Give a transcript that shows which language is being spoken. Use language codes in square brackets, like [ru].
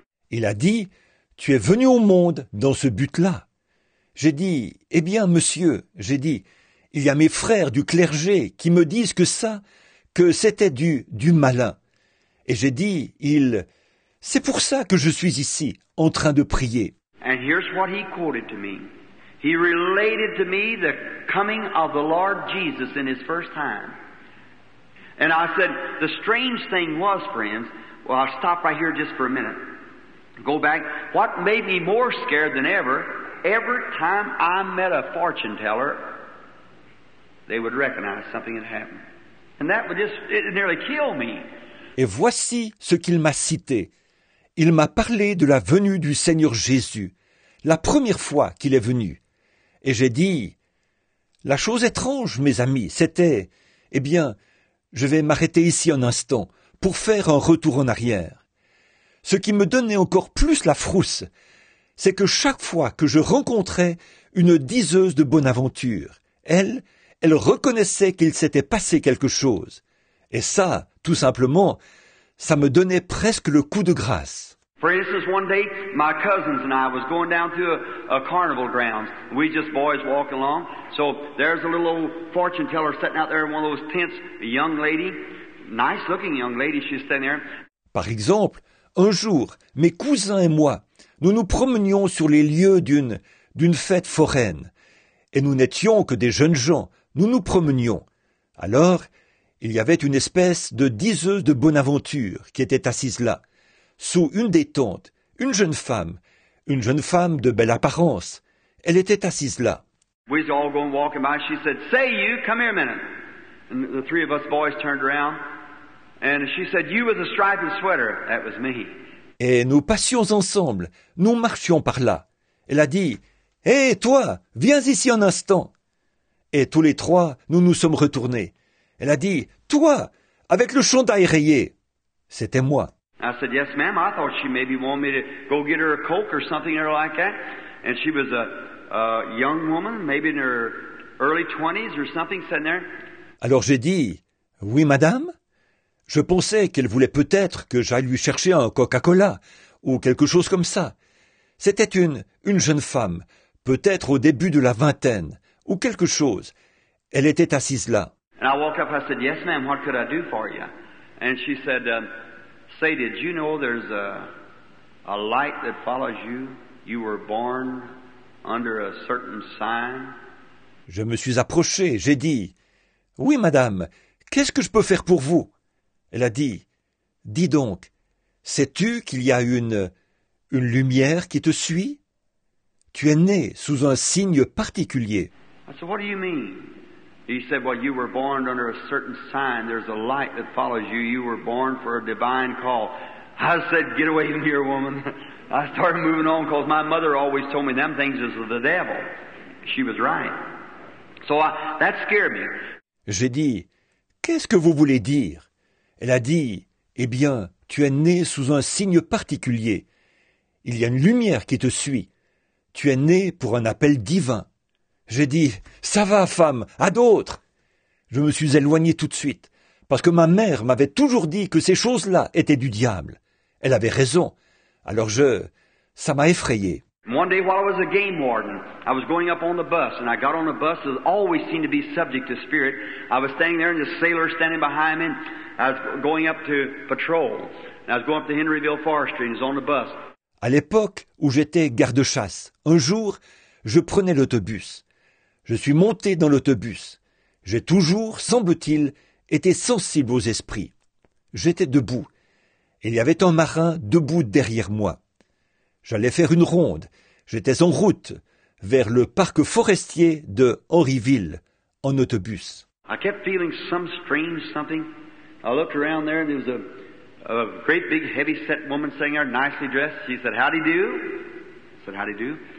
[fr] Il a dit, tu es venu au monde dans ce but-là. J'ai dit, eh bien, monsieur, j'ai dit, il y a mes frères du clergé qui me disent que ça, que c'était du malin. Et j'ai dit, c'est pour ça que je suis ici, en train de prier. [en] And here's what he quoted to me. He related to me the coming of the Lord Jesus in his first time. And I said, the strange thing was, friends, well, I'll stop right here just for a minute. Go back. What made me more scared than ever, every time I met a fortune teller, they would recognize something had happened. And that would just, it nearly kill me. [fr] Et voici ce qu'il m'a cité. Il m'a parlé de la venue du Seigneur Jésus, la première fois qu'il est venu. Et j'ai dit, la chose étrange, mes amis, c'était, eh bien, je vais m'arrêter ici un instant pour faire un retour en arrière. Ce qui me donnait encore plus la frousse, c'est que chaque fois que je rencontrais une diseuse de bonne aventure, elle reconnaissait qu'il s'était passé quelque chose. Et ça, tout simplement, ça me donnait presque le coup de grâce. [en] For instance, one day, my cousins and I was going down to a carnival grounds. We just boys walking along. So there's a little old fortune teller sitting out there in one of those tents, a young lady, nice looking young lady, she's standing there. [fr] Par exemple, un jour, mes cousins et moi, nous nous promenions sur les lieux d'une fête foraine. Et nous n'étions que des jeunes gens, nous nous promenions. Alors, il y avait une espèce de diseuse de bonne aventure qui était assise là. Sous une des tentes, une jeune femme de belle apparence, elle était assise là. [en] We were all going walking by. She said, "Say you, come here a minute." And the three of us boys turned around, and she said, "You with the striped sweater." That was me. [fr] Et nous passions ensemble. Nous marchions par là. Elle a dit, "Hé, hey, toi, viens ici un instant." Et tous les trois, nous nous sommes retournés. Elle a dit, "Toi, avec le chandail rayé." C'était moi. [en] I said, "Yes, ma'am. I thought she maybe wanted me to go get her a Coke or something or like that." And she was a young woman, maybe in her early 20s or something, sitting there. [fr] Alors j'ai dit, "Oui, madame. Je pensais qu'elle voulait peut-être que j'aille lui chercher un Coca-Cola ou quelque chose comme ça. C'était une jeune femme, peut-être au début de la vingtaine ou quelque chose. Elle était assise là." [en] And I walked up, I said, "Yes, ma'am. What could I do for you?" And she said, "Say, did you know there's a light that follows you? You were born under a certain sign." [fr] Je me suis approché, j'ai dit, "Oui, madame, qu'est-ce que je peux faire pour vous?" Elle a dit, "Dis donc, sais-tu qu'il y a une lumière qui te suit? Tu es né sous un signe particulier." [en] I said, "What do you mean?" He said, "Well, you were born under a certain sign. There's a light that follows you. You were born for a divine call." I said, "Get away from here, woman." I started moving on because my mother always told me them things is the devil. She was right. So that scared me. [fr] J'ai dit, "Qu'est-ce que vous voulez dire?" Elle a dit, "Eh bien, tu es né sous un signe particulier. Il y a une lumière qui te suit. Tu es né pour un appel divin." J'ai dit, "Ça va, femme, à d'autres." Je me suis éloigné tout de suite, parce que ma mère m'avait toujours dit que ces choses-là étaient du diable. Elle avait raison. Alors ça m'a effrayé. [en] One day while I was a game warden, I was going up on the bus, and I got on the bus that always seemed to be subject to spirit. I was standing there, and the sailor standing behind me, and I was going up to patrol. And I was going up to Henryville Forestry, and he was on the bus. [fr] À l'époque où j'étais garde-chasse, un jour, je prenais l'autobus. Je suis monté dans l'autobus. J'ai toujours, semble-t-il, été sensible aux esprits. J'étais debout. Il y avait un marin debout derrière moi. J'allais faire une ronde. J'étais en route vers le parc forestier de Henryville, en autobus. [en] I kept feeling some strange something. I looked around there and there was a great big heavy-set woman sitting there, nicely dressed. She said, "How do you do?" I said, "How do you do?"